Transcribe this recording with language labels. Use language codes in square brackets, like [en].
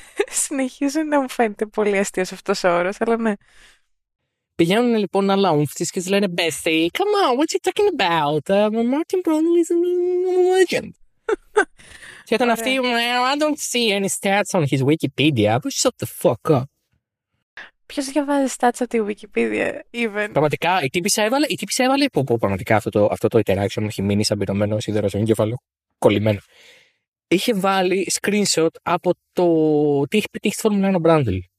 [el] Συνεχίζουν να μου φαίνεται πολύ αστείο αυτό ο όρο, αλλά ναι. Πηγαίνουν λοιπόν άλλα ουμφ τη και τη λένε Bethy, [en] come on, what are you talking about? Martin Brundle is a legend. [el] Και ήταν αυτή, [en] well, I don't see any stats on his Wikipedia, but shut the fuck up. [el] Ποιος διαβάζει stats από τη Wikipedia, even. Πραγματικά, η τύπησα έβαλε. Η τύπησα έβαλε. Πω, πραγματικά αυτό το interaction έχει μείνει σαν πυρωμένο σίδερο στον εγκέφαλο. Κολλημένο. Είχε βάλει screenshot από το τι έχει πετύχει στη Formula 1 ο Μπράντλ.